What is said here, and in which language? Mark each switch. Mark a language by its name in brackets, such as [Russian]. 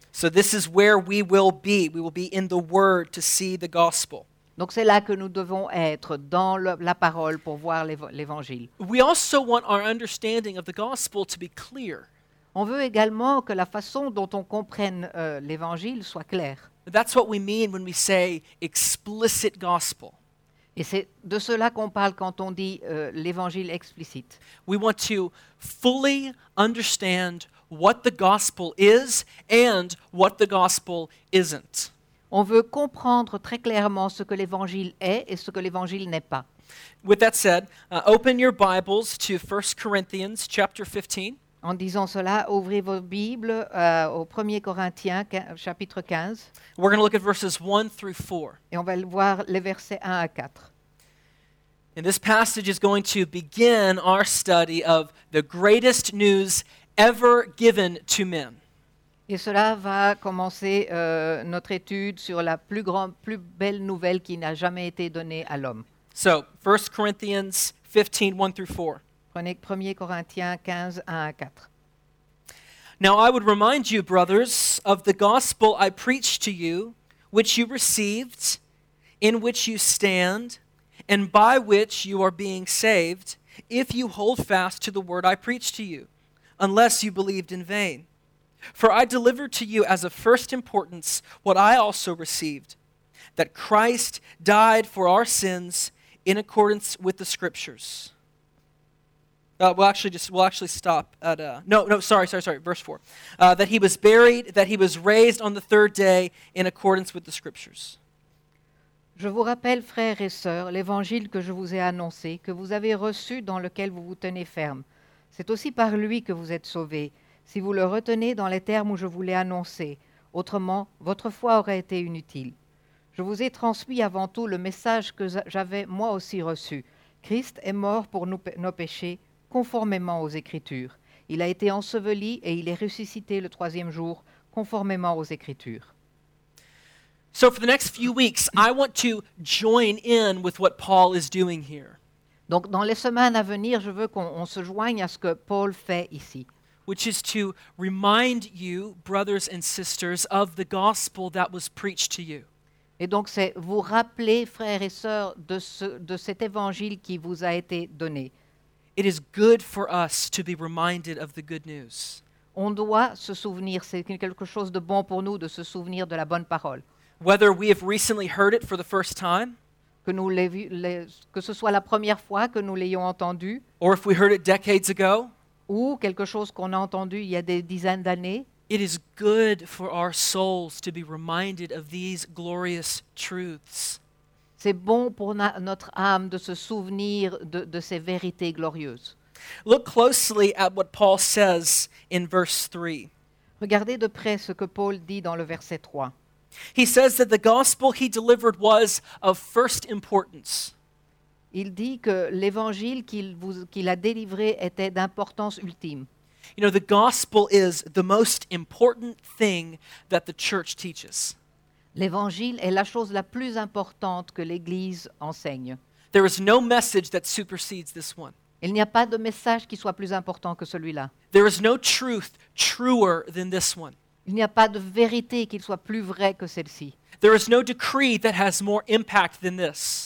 [English] So this is where we will be. We will be in the Word to see the gospel. [French] Donc c'est là que nous devons être, dans la parole pour voir l'évangile. [English] We also want our understanding of the gospel to be clear. [French] On veut également que la façon dont on comprenne l'évangile soit claire. [English] That's what we mean when we say explicit gospel. [French] Et c'est de cela qu'on parle quand on dit l'évangile explicite. [English] We want to fully understand what the gospel is and what the gospel isn't. [French] On veut comprendre très clairement ce que l'évangile est et ce que l'évangile n'est pas. [English] With that said, open your Bibles to 1 Corinthians chapter 15. [French] En disant cela, ouvrez vos Bibles au 1 Corinthiens, chapitre 15. [English] We're going to look at verses 1 through 4. [French] Et on va voir les versets 1 à 4. [English] And this passage is going to begin our study of the greatest news ever given to men. [French] Et cela va commencer notre étude sur la plus belle nouvelle qui n'a jamais été donnée à l'homme. [English] So, 1 Corinthians 15, 1 through 4. [French] Prenez 1 Corinthiens 15, 1 à 4. [English] Now I would remind you, brothers, of the gospel I preached to you, which you received, in which you stand, and by which you are being saved, if you hold fast to the word I preached to you, unless you believed in vain. For I delivered to you as of first importance what I also received, that Christ died for our sins in accordance with the Scriptures. Verse 4. That he was buried, that he was raised on the third day in accordance with the scriptures. [French] Je vous rappelle, frères et sœurs, l'évangile que je vous ai annoncé, que vous avez reçu, dans lequel vous vous tenez ferme. C'est aussi par lui que vous êtes sauvés, si vous le retenez dans les termes où je vous l'ai annoncé. Autrement, votre foi aurait été inutile. Je vous ai transmis avant tout le message que j'avais moi aussi reçu. Christ est mort pour nos péchés, conformément aux Écritures. Il a été enseveli et il est ressuscité le troisième jour, conformément aux Écritures. [English] So for the next few weeks, I want to join in with what Paul is doing here. [French] Donc dans les semaines à venir, je veux qu'on se joigne à ce que Paul fait ici. [English] Which is to remind you, brothers and sisters, of the gospel that was preached to you. [French] Et donc c'est vous rappeler, frères et sœurs, de cet évangile qui vous a été donné. [English] It is good for us to be reminded of the good news. [French] On doit se souvenir, c'est quelque chose de bon pour nous de se souvenir de la bonne parole. [English] Whether we have recently heard it for the first time, [French] que nous que ce soit la première fois que nous l'ayons entendu, [English] or if we heard it decades ago, [French] ou quelque chose qu'on a entendu il y a des dizaines d'années, [English] it is good for our souls to be reminded of these glorious truths. [French] C'est bon pour notre âme de se souvenir de ces vérités glorieuses. [English] Look closely at what Paul says in verse 3. [French] Regardez de près ce que Paul dit dans le verset 3. [English] He says that the gospel he delivered was of first importance. [French] Il dit que l'évangile qu'il a délivré était d'importance ultime. [English] You know, the gospel is the most important thing that the church teaches. [French] L'évangile est la chose la plus importante que l'Église enseigne. [English] There is no message that supersedes this one. [French] Il n'y a pas de message qui soit plus important que celui-là. [English] There is no truth truer than this one. [French] Il n'y a pas de vérité qui soit plus vraie que celle-ci. [English] There is no decree that has more impact than this.